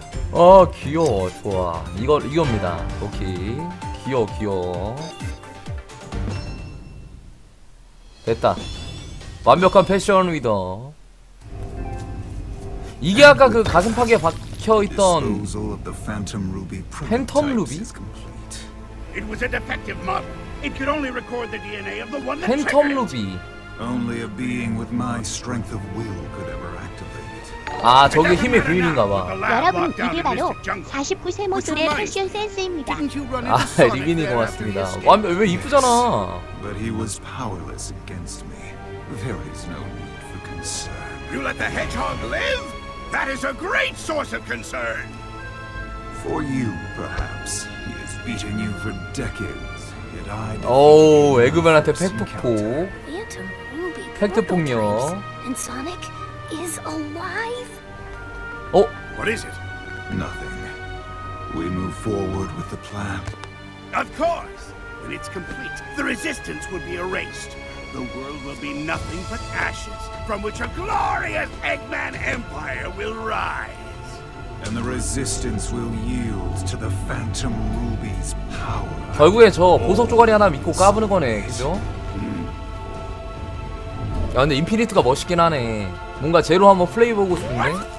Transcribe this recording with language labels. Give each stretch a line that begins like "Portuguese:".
Korean: 어 귀여워 좋아. 이거 이겁니다. 오케이 귀여워 귀여워. 됐다. 완벽한 패션 리더. 이게 아까 그 가슴팍에 박혀있던 팬텀 루비?
English: It was a defective model. It could only record the DNA of the one that 팬텀 루비. Only a being with my strength of will could ever activate it.
Korean: 아, 저게 힘의 부인인가 봐. 여러분, 이게 바로 49세 모델의 패션 센스입니다. 아, 리빈이 고맙습니다. 완벽, 왜 이쁘잖아.
English: But he was powerless against me. There is no need for concern. You let the hedgehog live? That is a great source of concern. For you, perhaps. He has beaten you for decades. Yet I.
Korean: 오, 에그맨한테 팩트포. 팩트폭력.
English: And Sonic is alive. 어? What is it? Nothing. We move forward with the plan. Of course. When it's complete, the resistance will be erased. The world will be nothing but ashes, from which a glorious Eggman Empire will rise. And the resistance will yield to the Phantom Ruby's power.
Korean: 결국에 저 보석 조각이 하나 믿고 까부는 거네, 그죠? 야 근데 인피니트가 멋있긴 하네. 뭔가 제로 한번 플레이 보고 싶네.